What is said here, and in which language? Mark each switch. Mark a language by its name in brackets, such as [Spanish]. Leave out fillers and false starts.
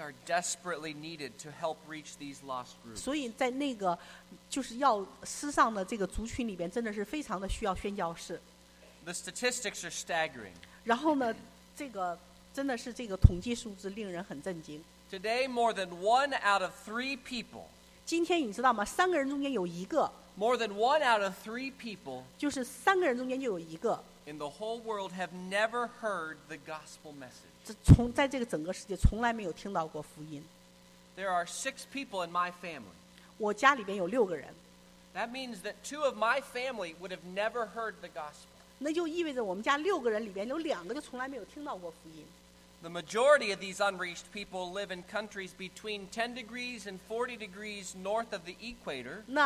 [English] are desperately needed to help reach these lost groups. [Chinese] 所以在那个就是要失丧的这个族群里边，真的是非常的需要宣教士。 [English] The statistics are staggering. [Chinese] 然后呢，这个真的是这个统计数字令人很震惊。 [English] Today more than one out of three people. [Chinese] 今天你知道吗？三个人中间有一个。 [English] More than one out of three people, [Chinese] 就是三个人中间就有一个, [English] in the whole world have never heard the gospel message. [Chinese] 在这个整个世界从来没有听到过福音。 [English] There are six people in my family. [Chinese] 我家里边有六个人。 [English] That means that two of my family would have never heard the gospel. [Chinese] 那就意味着我们家六个人里边有两个就从来没有听到过福音。 [English] The majority of these unreached people live in countries between 10 degrees and 40 degrees north of the equator.